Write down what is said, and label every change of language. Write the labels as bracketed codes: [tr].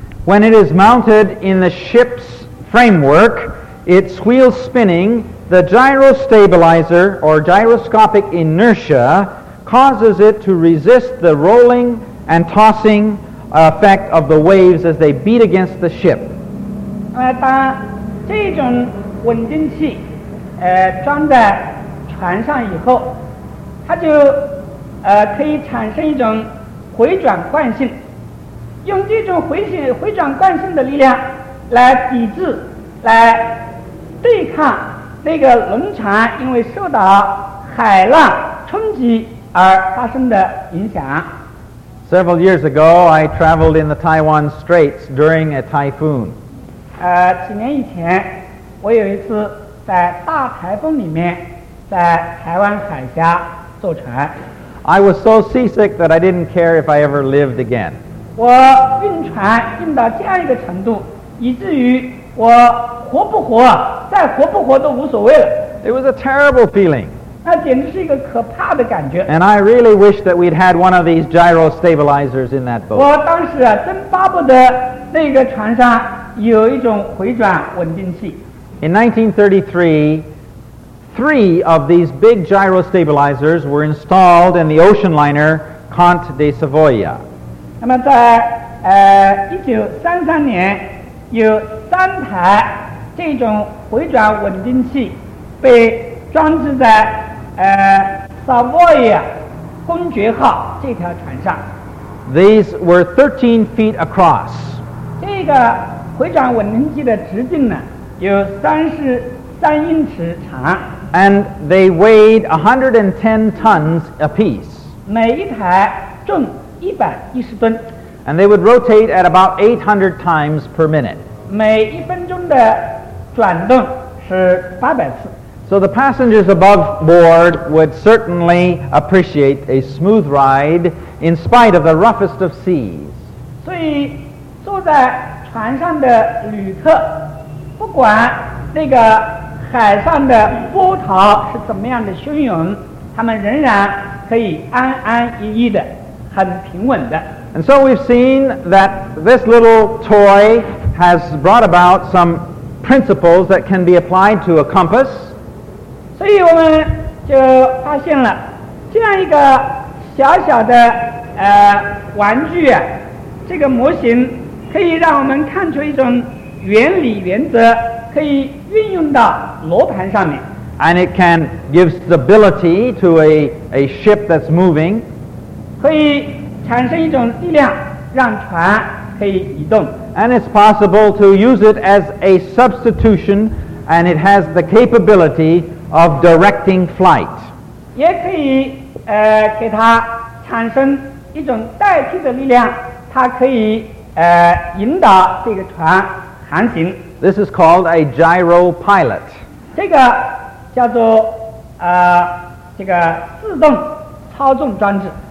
[en] When it is mounted in the ship's framework, its wheel spinning, the gyro stabilizer or gyroscopic inertia causes it to resist the rolling and tossing effect of the waves as they beat against the ship. [zh] 当这种稳定器装在船上以后，它就可以产生一种回转惯性，用这种回转惯性的力量来抵制、来对抗那个轮船因为受到海浪冲击而发生的影响。 [en] Several years ago, I traveled in the Taiwan Straits during a typhoon. [zh] 几年以前，我有一次在大台风里面，在台湾海峡坐船。 [en] I was so seasick that I didn't care if I ever lived again. [zh] 我晕船晕到这样一个程度，以至于我活不活，再活不活都无所谓了。 [en] It was a terrible feeling. [zh] 那简直是一个可怕的感觉。 [en] And I really wish that we'd had one of these gyro stabilizers in that boat. [zh] 我当时啊，真巴不得那个船上有一种回转稳定器。 [en] In 1933,3 of these big gyro stabilizers were installed in the ocean liner Conte de Savoia. [zh] 那么在1933年，有3台这种回转稳定器被装置在Savoia 公爵号这条船上。 [en] These were 13 feet across. [zh] 这个回转稳定器的直径呢，有33英尺长。 [en] And they weighed 110 tons apiece. [zh] 每一台重110吨。 [en] And they would rotate at about 800 times per minute. [zh] 每一分钟的转动是800次。 [en] So the passengers above board would certainly appreciate a smooth ride in spite of the roughest of seas. [zh] 所以坐在船上的旅客，不管那个海上的波涛是怎么样的汹涌，他们仍然可以安安逸逸的，很平稳的。 [en] And so we've seen that this little toy has brought about some principles that can be applied to a compass. [zh] 所以我们就发现了，这样一个小小的玩具啊，这个模型可以让我们看出一种原理原则，可以运用到罗盘上面。 [en] And it can give stability to a ship that's moving. [zh] 可以产生一种力量，让船可以移动。 [en] And it's possible to use it as a substitution, and it has the capability of directing flight. [zh] 也可以给它产生一种代替的力量，它可以引导这个船航行。 [en] This is called a gyropilot. [zh] 这个叫做这个自动操纵装置。